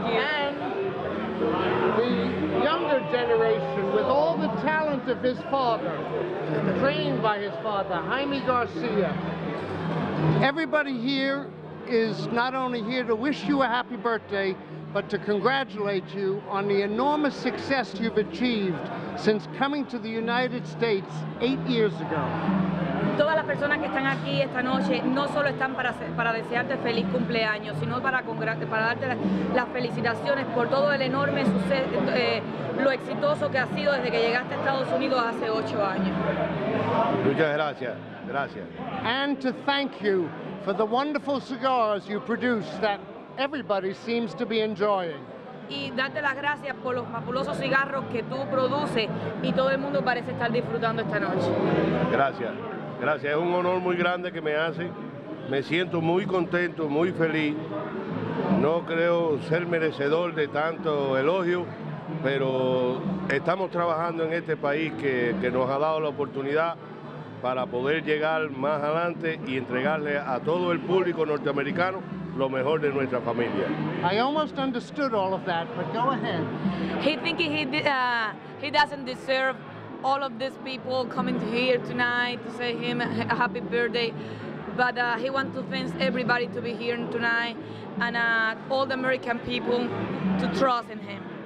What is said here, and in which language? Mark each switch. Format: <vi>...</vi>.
<en>And the younger generation, with all the talent of his father, trained by his father, Jaime Garcia. Everybody here is not only here to wish you a happy birthday, but to congratulate you on the enormous success you've achieved since coming to the United States 8 years ago.</en> <es>Todas las personas que están aquí esta noche no solo están para desearte feliz cumpleaños, sino para darte las felicitaciones por todo el enorme suceso, lo exitoso que ha sido desde que llegaste a Estados Unidos hace 8 años. Muchas gracias.</es> <en>And to thank you for the wonderful cigars you produce that everybody seems to be enjoying.</en> <es>Y darte las gracias por los fabulosos cigarros que tú produces y todo el mundo parece estar disfrutando esta noche. Gracias. Gracias, es un honor muy grande que me hace. Me siento muy contento, muy feliz. No creo ser merecedor de tanto elogio, pero estamos trabajando en este país que nos ha dado la oportunidad para poder llegar más adelante y entregarle a todo el público norteamericano lo mejor de nuestra familia.</es> <en>I almost understood all of that, but go ahead. He thinks he doesn't deserve all of these people coming here tonight to say him a happy birthday. But he wants to thank everybody to be here tonight and all the American people to trust in him.</en>